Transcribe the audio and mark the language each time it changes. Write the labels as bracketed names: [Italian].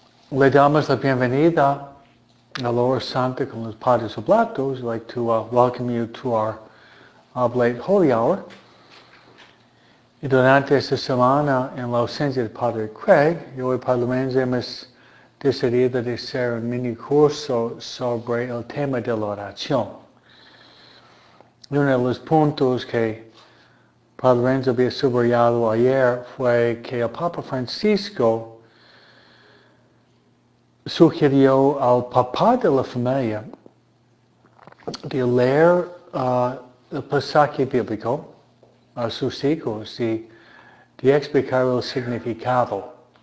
[Spanish] Le damos la bienvenida a Lourdes Santa con los Padres Oblatos. [English] I'd like to welcome you to our Oblate Holy Hour. [Spanish] Y durante esta semana, en la ausencia del Padre Craig, yo y Padre Lorenzo hemos decidido de hacer un mini curso sobre el tema de la oración. Uno de los puntos que Padre Lorenzo había subrayado ayer fue que el Papa Francisco sugirió al papá de la familia de leer el pasaje bíblico a sus hijos y de explicar el significado.